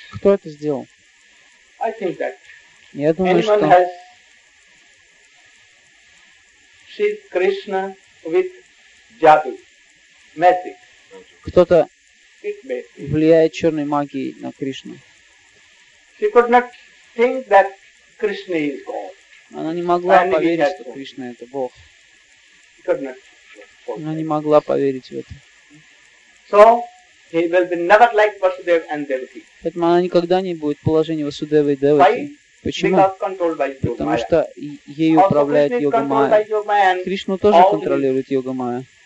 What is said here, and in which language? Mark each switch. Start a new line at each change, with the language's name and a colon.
Russian: Кто это сделал?
English: I think that
Russian: я думаю, что...
English: Has seen Krishna with jadu, magic.
Russian: Кто-то влияет черной магией на Кришну.
English: She could not think that Krishna is God.
Russian: Она не могла поверить, что Кришна это Бог. Она не могла поверить в это.
English: So he will be never like Vasudeva and Devaki.
Russian: Поэтому она никогда не будет в положении Васудевы и Деваки. Почему? Потому что ею управляет Йога Майя. Кришну тоже контролирует Йога Майя.